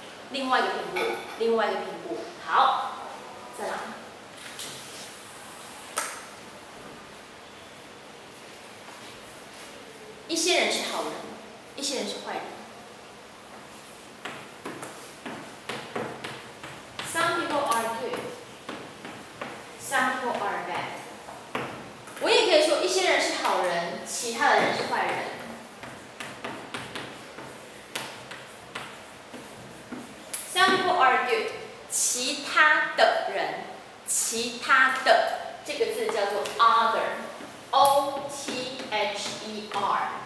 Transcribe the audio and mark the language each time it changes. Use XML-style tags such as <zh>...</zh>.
<zh>另外一个苹果，另外一个苹果。好，再来。一些人是好人，一些人是坏人。</zh> <en>Some people are good, some people are bad.</en> <zh>我也可以说一些人是好人，其他的人是坏人。 Some people are good, 其他的人，其他的这个字叫做 other, O T H E R.</zh>